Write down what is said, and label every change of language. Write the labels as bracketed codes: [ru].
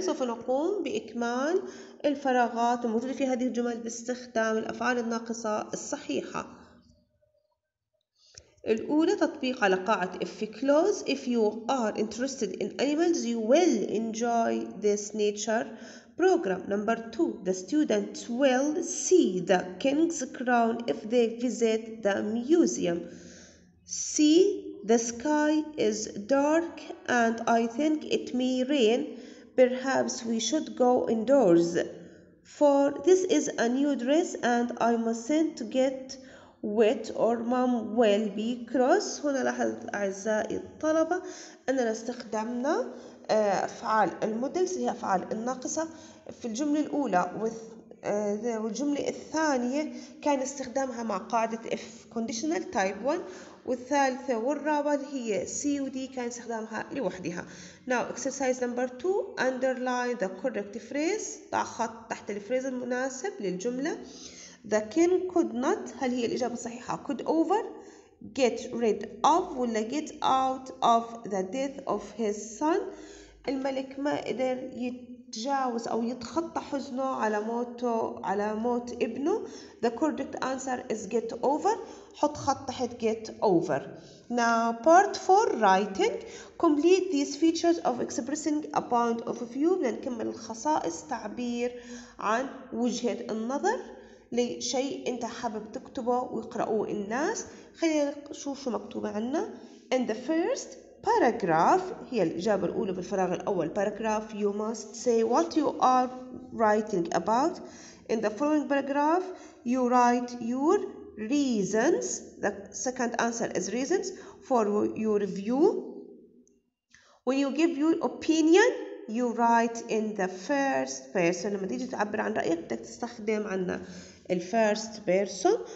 [ar] سوف نقوم بإكمال الفراغات الموجودة في هذه الجمل باستخدام الأفعال الناقصة الصحيحة. الأولى تطبيق على قاعة if clause. [en] If you are interested in animals, you will enjoy this nature program. Number 2. The students will see the king's crown if they visit the museum. See, the sky is dark and I think it may rain. Perhaps we should go indoors. For this is a new dress and I mustn't get wet or mom will be cross. [ar] هنا لاحظت أعزائي الطلبة أننا استخدمنا أفعال المودلز هي أفعال الناقصة في الجملة الأولى والجملة الثانية كان استخدامها مع قاعدة if conditional type 1 والثالثة والرابعة هي C و D كان استخدامها لوحدها. [en] Now exercise number 2. Underline the correct phrase. [ar] ضع خط تحت الفريز المناسب للجملة. [en] The king could not. [ar] هل هي الإجابة الصحيحة [en] could over get rid of ولا get out of the death of his son. [ar] الملك ما قدر يتجاوز أو يتخطى حزنه على موته على موت ابنه. [en] The correct answer is get over. [ar] حط خط تحت [en] get over. Now part 4 writing. Complete these features of expressing a point of view. [ar] لنكمل الخصائص تعبير عن وجهة النظر لشيء أنت حابب تكتبه ويقرأه الناس. خلينا نشوف شو مكتوب عنا. [en] In the first, [ar] paragraph هي الإجابة الأولى بالفراغ الأول. [en] Paragraph, you must say what you are writing about. In the following paragraph, you write your reasons. The second answer is reasons for your view. When you give your opinion, you write in the first person. [ar] لما تيجي تعبر عن رأيك بدك تستخدم عنا [en] the first person.